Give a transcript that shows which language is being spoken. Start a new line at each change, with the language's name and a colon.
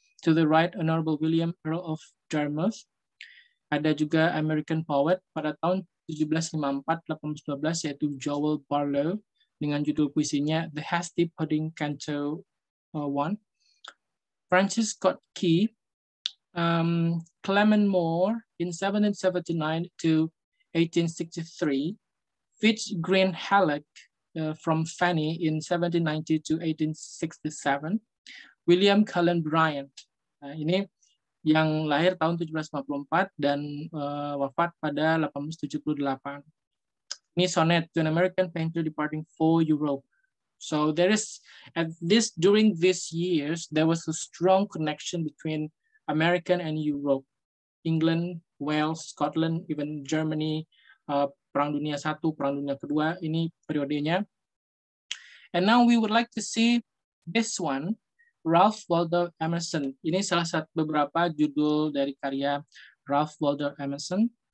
English: To the Right Honorable William Earl of Dartmouth.
Indonesian: Ada juga American Poet pada tahun 1754-1812, yaitu Joel Barlow, dengan judul puisinya The Hasty Pudding Canto One. Francis Scott Key, Clement Moore
English: in 1779 to 1863,
Indonesian: Fitz Greene Halleck
English: from Fanny in 1790 to 1867,
Indonesian: William Cullen Bryant, ini yang lahir tahun 1754 dan wafat pada 1878.
English: Ini sonnet to an American painter departing for Europe. So there is, at this, during these years, there was a strong connection between American and Europe.
Indonesian: England, Wales, Scotland, even Germany, Perang Dunia I, Perang Dunia II, ini periodenya.
English: And now we would like to see this one, Ralph Waldo Emerson.
Indonesian: Ini salah satu beberapa judul dari karya Ralph Waldo Emerson.